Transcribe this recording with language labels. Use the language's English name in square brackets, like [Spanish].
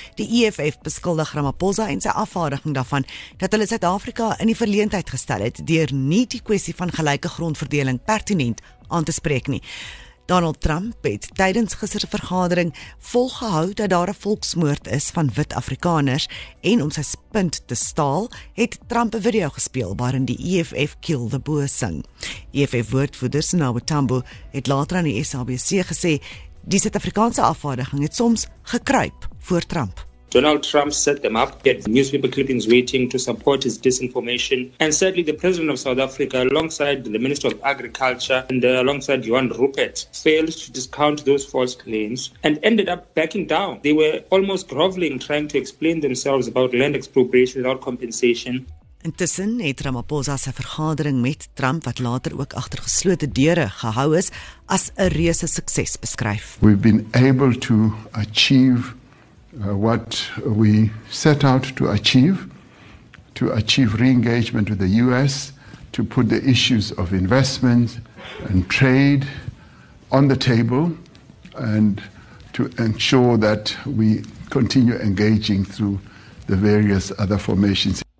[Afrikaans] Die EFF beskuldig Ramaphosa en sy afvaardiging daarvan dat hulle Suid-Afrika in die verleentheid gestel het deur nie die kwestie van gelyke grondverdeling pertinent aan te spreek nie. Donald Trump het tydens gister se vergadering volgehou dat daar 'n volksmoord is van wit Afrikaners en om sy punt te staal, het Trump 'n video gespeel waarin die EFF Kill the Boer sing. EFF woordvoerder Senabo Tambo het later aan die SABC gesê, die Suid-Afrikaanse afvaardiging het soms gekruip voor Trump. [English] Donald Trump set them up, had newspaper clippings waiting to support his disinformation. And sadly, the President of South Africa, alongside the Minister of Agriculture and alongside Johan Rupert, failed to discount those false claims and ended up backing down. They were almost groveling, trying to explain themselves about land expropriation without compensation. [Afrikaans] Intussen het Ramaphosa sy vergadering met Trump, wat later ook agter geslote deure gehou is, as 'n reuse sukses beskryf. [English] We've been able to achieve what we set out to achieve re-engagement with the US, to put the issues of investment and trade on the table, and to ensure that we continue engaging through the various other formations.